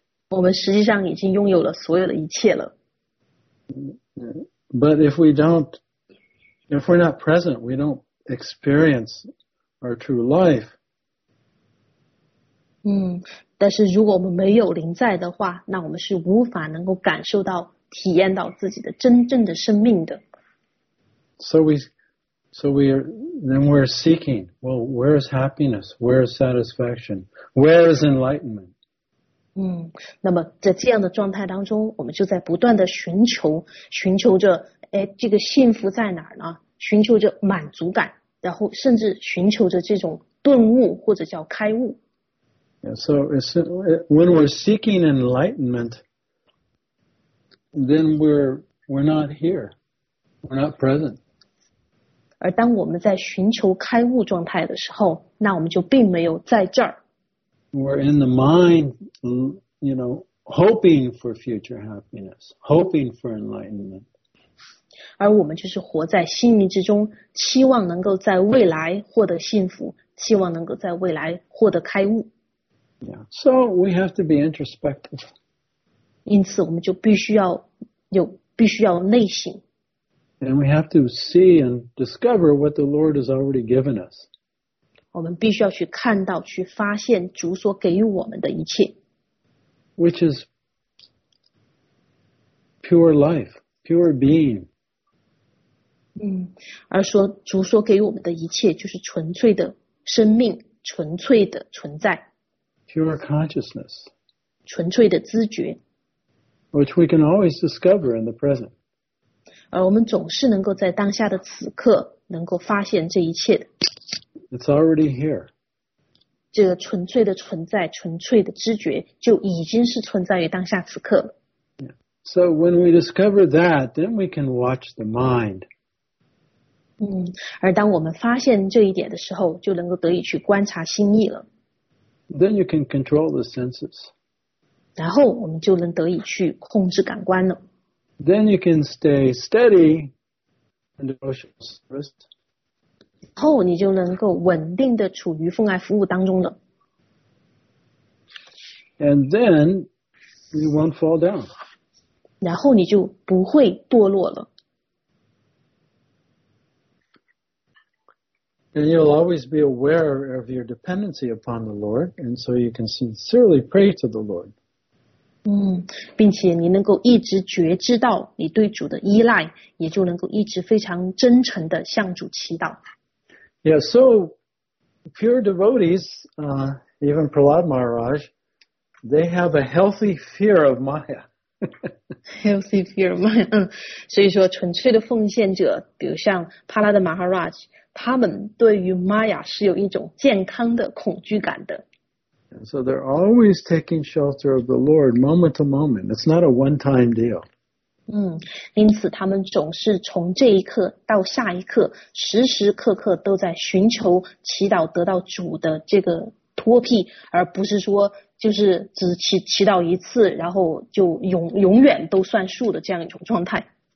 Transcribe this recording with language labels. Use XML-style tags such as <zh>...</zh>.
<zh>我们实际上已经拥有了所有的一切了。</zh> <en>But if we're not present, we don't experience our true life.</en> <zh>但是如果我们没有临在的话，那我们是无法能够感受到、体验到自己的真正的生命的。</zh> <en>So we're seeking. Well, where is happiness? Where is satisfaction? Where is enlightenment?</en> <zh>那么在这样的状态当中，我们就在不断的寻求着，这个幸福在哪儿呢？寻求着满足感。然后甚至寻求着这种顿悟或者叫开悟。</zh> <en>Yeah, so when we're seeking enlightenment, then we're not here. We're not present.</en> <zh>而当我们在寻求开悟状态的时候，那我们就并没有在这儿。</zh> <en>We're in the mind, you know, hoping for future happiness, hoping for enlightenment.</en> <zh>而我们就是活在心灵之中，期望能够在未来获得幸福，期望能够在未来获得开悟。</zh> <en>Yeah. So we have to be introspective.</en> <zh>因此我们就必须要内省。</zh> <en>And we have to see and discover what the Lord has already given us.</en> <zh>我们必须要去看到，去发现主所给予我们的一切。</zh> <en>Which is pure life, pure being.</en> <zh>而说主所给予我们的一切就是纯粹的生命，纯粹的存在。</zh> <en>Pure consciousness,</en> <zh>纯粹的知觉，</zh> <en>which we can always discover in the present.</en> <zh>而我们总是能够在当下的此刻能够发现这一切的。</zh> <en>It's already here.</en> <zh>这个纯粹的存在，纯粹的知觉，就已经是存在于当下此刻了。</zh> <en>Yeah. So when we discover that, then we can watch the mind.</en> <zh>而当我们发现这一点的时候，就能够得以去观察心意了。</zh> <en>Then you can control the senses.</en> <zh>然后我们就能得以去控制感官了。</zh> <en>Then you can stay steady in devotional service.</en> <zh>然后你就能够稳定的处于奉爱服务当中了。</zh> <en>And then you won't fall down.</en> <zh>然后你就不会堕落了。</zh> <en>And you'll always be aware of your dependency upon the Lord, and so you can sincerely pray to the Lord.</en> <zh>并且你能够一直觉知到你对主的依赖，也就能够一直非常真诚地向主祈祷。</zh> <en>Yeah, so pure devotees, even Prahlad Maharaj, they have a healthy fear of Maya. Healthy fear of Maya.</en> <zh>所以说纯粹的奉献者，比如像 Prahlad Maharaj,他们对于 Maya 是有一种健康的恐惧感的。</zh> <en>And so they're always taking shelter of the Lord moment to moment. It's not a one-time deal.</en> <zh>因此他们总是从这一刻到下一刻，时时刻刻都在寻求祈祷得到主的这个托庇，而不是说就是只祈祷一次，然后就永远都算数的这样一种状态。</zh>